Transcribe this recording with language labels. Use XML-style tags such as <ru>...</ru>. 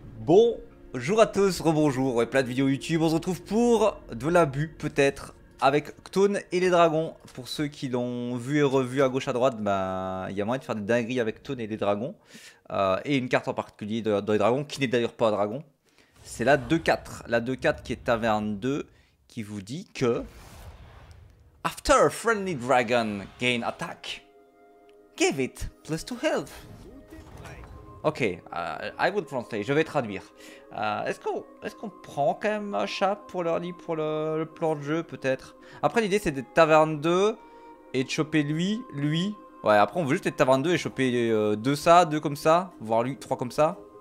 <fr>Bonjour à tous, rebonjour et plein de vidéos YouTube. On se retrouve pour de l'abus peut-être avec Ktone et les dragons. Pour ceux qui l'ont vu et revu à gauche à droite, il y a moyen de faire des dingueries avec Ktone et les dragons. Et une carte en particulier dans les dragons, qui n'est d'ailleurs pas un dragon. C'est la 2-4. La 2-4 qui est taverne 2, qui vous dit que...</fr> <en>After a friendly dragon gain attack, give it plus 2 health. Ok, I will translate,</en> <fr>je vais traduire. Est-ce qu'on prend quand même un chat pour leur lit, pour le plan de jeu peut-être? Après l'idée c'est d'être taverne 2 et de choper lui. Ouais, après on veut juste être taverne 2 et choper 2 ça, 2 comme ça, voire lui, 3 comme ça.</fr>